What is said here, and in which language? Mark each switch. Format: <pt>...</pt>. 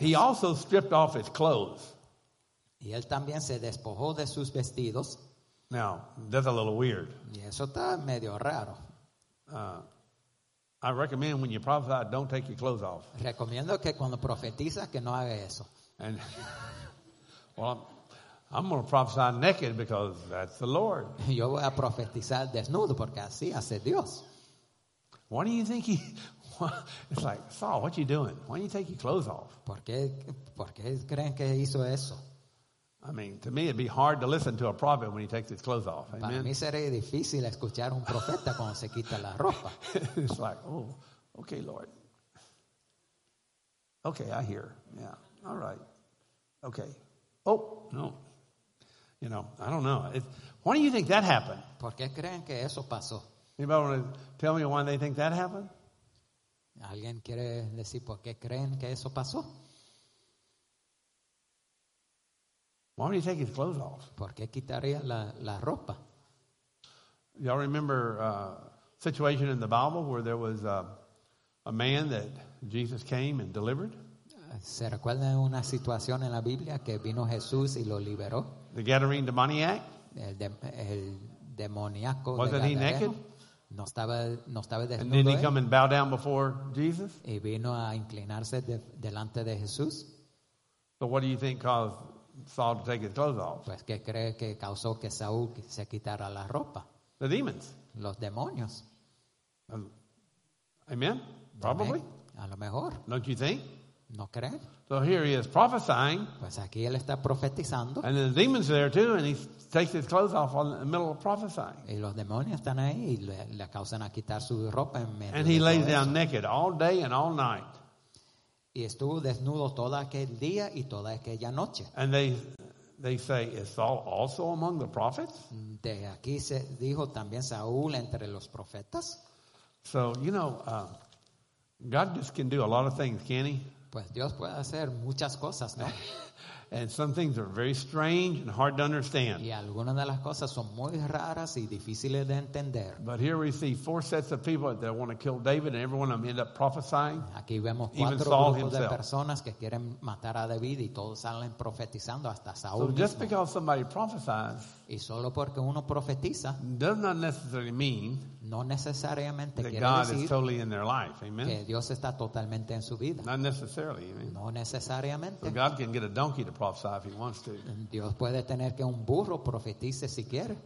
<en>He also stripped off his clothes.</en> <es>Y él también se despojó de sus vestidos.</es> <en>Now, that's a little weird.</en> <es>Y eso está medio raro.</es> <en>I recommend when you prophesy, don't take your clothes off.</en> <es>Recomiendo que cuando profetizas que no haga eso.</es> <en>And, well, I'm going to prophesy naked because that's the Lord.</en> <es>Yo voy a profetizar desnudo porque así hace Dios.</es> <en>Why do you think he... It's like, Saul, what are you doing? Why don't you take your clothes off?</en> <es>¿Por qué creen que hizo eso?</es> <en>I mean, to me, it'd be hard to listen to a prophet when he takes his clothes off. Amen.</en> <es>Para mí sería difícil escuchar un profeta cuando se quita la ropa.</es> <en>It's like, oh, okay, Lord. Okay, I hear. Yeah, all right. Okay. Oh, no. You know, I don't know. Why do you think that happened?</en> <es>¿Por qué creen que eso pasó?</es> <en>Anybody want to tell me why they think that happened?</en> <es>¿Alguien quiere decir por qué creen que eso pasó?</es> <en>Why would he take his clothes off?</en> <es>¿Por qué quitaría la ropa?</es> <en>Y'all remember a situation in the Bible where there was a man that Jesus came and delivered?</en> <es>¿Se recuerda una situación en la Biblia que vino Jesús y lo liberó?</es> <en>The Gadarene demoniac?</en> <es>El demoníaco.</es> <en>Wasn't</en> <es>de Gadareno?</es> <en>He naked?</en> <es>No estaba desnudo.</es> <en>And didn't he come and bow down before Jesus?</en> <es>Y vino a inclinarse delante de Jesús.</es> <en>So what do you think caused Saul to take his clothes off?</en> <es>Pues, ¿qué cree que causó que Saúl se quitara la ropa?</es> <en>The demons.</en> <es>Los demonios.</es> <en>Amen. Probably.</en> <es>A lo mejor.</es> <en>Don't you think?</en> <es>No creen.</es> <en>So here he is prophesying.</en> <es>Pues aquí él está profetizando.</es> <en>And the demons are there too, and he takes his clothes off in the middle of prophesying.</en> <es>Y los demonios están ahí y le causan a quitar su ropa en medio.</es> <en>And he lays down naked all day and all night.</en> <es>Y estuvo desnudo todo aquel día y toda aquella noche.</es> <en>And they say, is Saul also among the prophets?</en> <es>De aquí se dijo también Saúl entre los profetas.</es> <en>So, you know, God just can do a lot of things, can't he?</en> <es>Pues Dios puede hacer muchas cosas, ¿no?</es> <en>And some things are very strange and hard to understand.</en> <es>Y algunas de las cosas son muy raras y difíciles de entender.</es> <en>But here we see four sets of people that want to kill David, and every one of them end up prophesying.</en> <es>Aquí vemos cuatro grupos de personas que quieren matar a David y todos salen profetizando hasta Saúl mismo.</es> <en>So just because somebody prophesies,</en> <es>y solo porque uno profetiza,</es> <en>does not necessarily mean</en> <es>no necesariamente</es> <en>that</en> <es>quiere</es> <en>God</en> <es>decir</es> <en>is totally in their life. Amen.</en> <es>Que Dios está totalmente en su vida.</es> <en>Not necessarily. Amen.</en> <es>No necesariamente.</es> <en>So God can get a donkey to prophesy if he wants to.</en> <es>Dios puede tener que un burro profetice si quiere.</es>